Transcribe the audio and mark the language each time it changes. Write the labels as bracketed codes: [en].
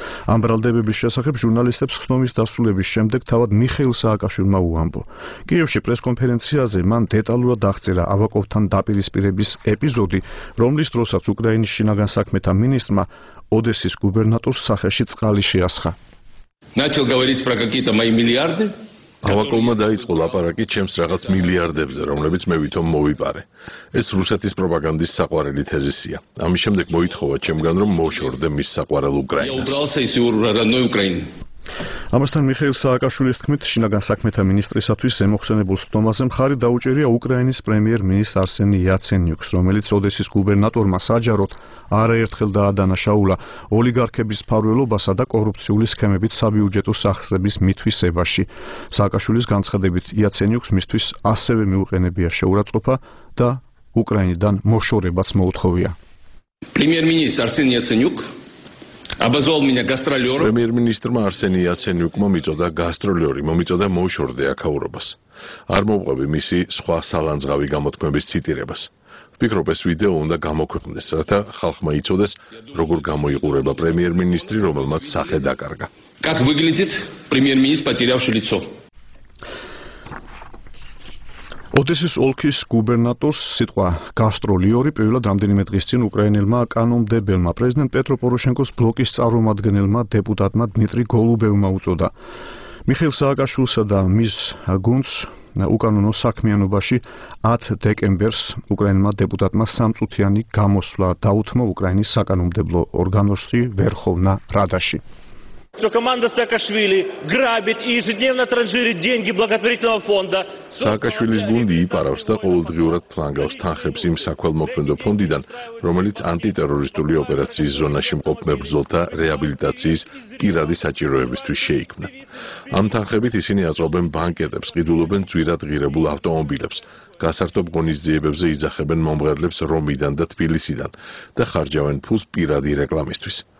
[ka] ამ ბრალდებების შესახებ ჟურნალისტებს ხდომის დასრულების შემდეგ თავად მიხეილ სააკაშვილმა უამბო. კიევში პრესკონფერენციაზე მან დეტალურად აღწერა ავაკოვთან დაპირისპირების ეპიზოდი, რომლის დროსაც უკრაინის შინაგან საქმეთა მინისტრმა ოდესის გუბერნატორს სახეში წყალი შეასხა. [ru] Начал говорить про какие-то мои миллиарды. [ka] ხავაკოვმა დაიწყო ლაპარაკი ჩემს რაღაც მილიარდებზე, რომლებიც მე ვითომ მოვიპარე. ეს რუსეთის პროპაგანდის საყვარელი თეზისია. ამის შემდეგ მოითხოვა ჩემგან, რომ მოშორდე მის საყვარელ უკრაინას. ამასთან მიხეილ სააკაშვილის თქმით, შინაგან საქმეთა მინისტრისათვის ზემოხსენებულ სტომაზე მხარი დაუჭერია უკრაინის პრემიერ-მინისტრ არსენ იაცენიუკს, რომელიც ოდესის გუბერნატორმა საჯაროდ არაერთხელ დაადანაშაულა ოლიგარქების მფარველობასა და კორუფციული სქემებით საბიუჯეტო სახსრების მითვისებაში. სააკაშვილის განცხადებით, იაცენიუკს მისთვის ასევე მიუყენებია შეურაცხყოფა და უკრაინიდან მოშორებაც მოუთხოვია. [ru] პრემიერ-მინისტრ არსენ იაცენიუკ აბაზოალ მინა გასტროლიორ. [ka] პრემიერ-მინისტრმა არსენი იაცენიუკმა მიწოდა გასტროლიორი, მომიწოდა მოუშორდე აქაურობას. არ მოვყვები მისი სხვა სალანძღავი გამოთქმების ციტირებას. ვფიქრობ, ეს ვიდეო უნდა გამოქვეყნდეს, რათა ხალხმა იცოდეს, როგორ გამოიყურება პრემიერ-მინისტრი, რომელმაც სახე დაკარგა. [ru] Как выглядит премьер-министр, потерявший лицо? [ka] ოდესის ოლქის გუბერნატორს სიტყვა გასტროლიორი პირველად რამდენიმე დღის წინ უკრაინელმა კანონმდებელმა პრეზიდენტ პეტრო პოროშენკოს ბლოკის წარმომადგენელმა დეპუტატმა დმიტრი გოლუბევმა უწოდა. მიხეილ სააკაშვილსა და მის გუნდს უკანონო საქმიანობაში 10 დეკემბერს უკრაინელმა დეპუტატმა სამწუთიანი გამოსვლა დაუთმო უკრაინის საკანონმდებლო ორგანოში ვერხოვნა რადაში. [ru] Что команда Саакашвили грабит и ежедневно транжирит деньги благотворительного фонда. [ka] Саакашвилис гунди იპარავს და ყოველდღიურად ფლანგავს თანხებს იმ საქველმოქმედო ფონდიდან, რომელიც ანტიტერორისტული ოპერაციის ზონაში მყოფ მებრძოლთა რეაბილიტაციის პირადი საჭიროებისთვის შეიქმნა. ამ თანხებით ისინი აწყობენ ბანკეტებს, ყიდულობენ ძვირად ღირებულ ავტომობილებს, გასართობ ღონისძიებებზე იძახებენ მომღერლებს რომიდან და თბილისიდან და ხარჯავენ ფულს პირადი რეკლამისთვის.